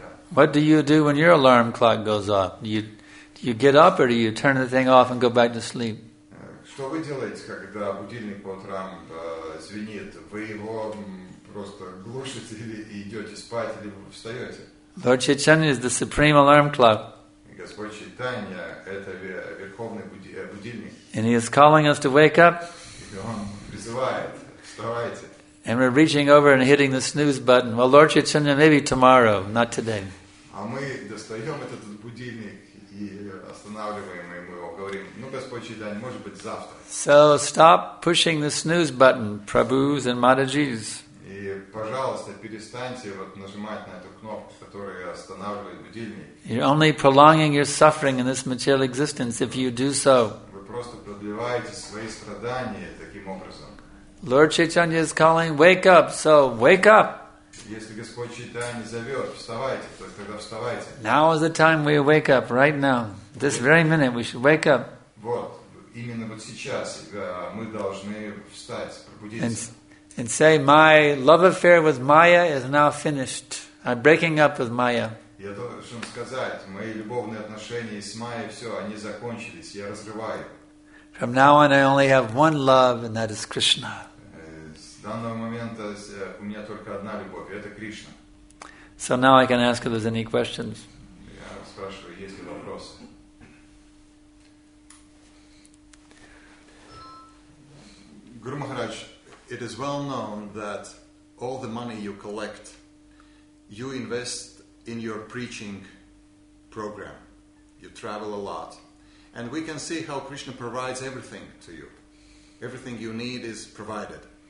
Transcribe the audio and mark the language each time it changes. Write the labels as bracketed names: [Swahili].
[English] What do you do when your alarm clock goes off? Do you get up or do you turn the thing off and go back to sleep? [Russian] Что вы делаете, когда будильник по утрам звенит? Вы его просто глушите или идете спать или встаете? [English] Lord Chaitanya is the supreme alarm clock. [Russian] Господь Чайтанья это верховный будильник. [English] And he is calling us to wake up. [Russian] Он призывает, вставайте. [English] And we're reaching over and hitting the snooze button. Well, Lord Chaitanya, maybe tomorrow, not today. [Russian] А мы достаем этот будильник и останавливаем его, говорим, ну, Господь Чайтанья, может быть, завтра. [English] So stop pushing the snooze button, Prabhus and Matajis. [Russian] И, пожалуйста, перестаньте вот нажимать на эту кнопку, которая останавливает будильник. [English] You're only prolonging your suffering in this material existence if you do so. [Russian] Вы просто продлеваете свои страдания таким образом. [English] Lord Chaitanya is calling, wake up, so wake up. [Russian] Если Господь Чайтанья зовет, вставайте, то тогда вставайте. [English] Now is the time we wake up, right now. This very minute we should wake up. [Russian] Вот, именно вот сейчас мы должны встать, пробудиться. [English] And say, my love affair with Maya is now finished. I'm breaking up with Maya. [Russian] Я должен сказать, мои любовные отношения с Майей, все, они закончились, я разрываю. [English] From now on, I only have one love, and that is Krishna. [Russian] С данного момента у меня только одна любовь, это Кришна. [English] So now I can ask if there's any questions. [Russian] Я спрашиваю, есть ли вопросы. [English] Guru Maharaj, it is well known that all the money you collect, you invest in your preaching program. You travel a lot. And we can see how Krishna provides everything to you. Everything you need is provided.